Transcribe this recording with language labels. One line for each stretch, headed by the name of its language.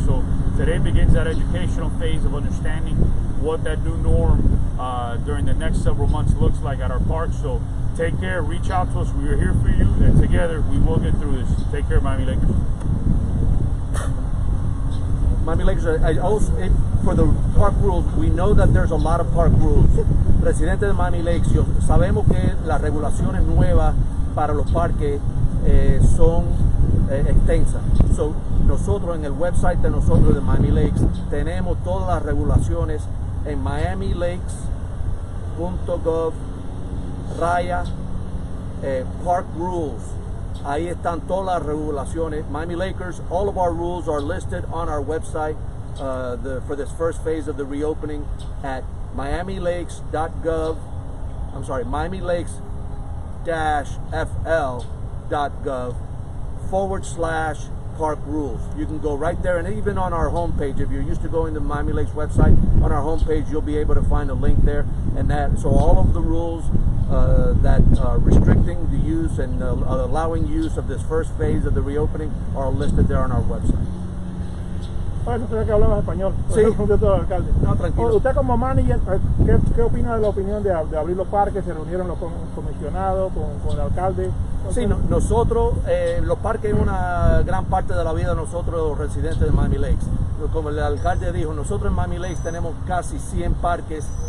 English: So today begins that educational phase of understanding what that new norm during the next several months looks like at our parks. So take care, reach out to us. We are here for you, and together we will get through this. Take care, Miami Lakers. Miami Lakers, for the park rules, we know that there's a lot of park rules.
Spanish: Presidente de Miami Lakes, sabemos que las regulaciones nuevas para los parques son extensas. So, nosotros en el website de nosotros de Miami Lakes tenemos todas las regulaciones en miamilakes.gov/park rules. Ahí están todas las regulaciones.
English: Miami Lakers, all of our rules are listed on our website for this first phase of the reopening at miamilakes-fl.gov/park rules. You can go right there, and even on our homepage, if you're used to going to Miami Lakes website, on our homepage you'll be able to find a link there. And that, so all of the rules that are restricting the use and allowing use of this first phase of the reopening are listed there on our website.
Spanish: Sí. No, tranquilo. Usted como manager, ¿qué opina de la opinión de abrir los parques? ¿Se reunieron los comisionados con el alcalde?
English: Okay.
Spanish: Sí, nosotros, los parques es una gran parte de la vida de nosotros, los residentes de Miami Lakes. Como el alcalde dijo, nosotros en Miami Lakes tenemos casi 100 parques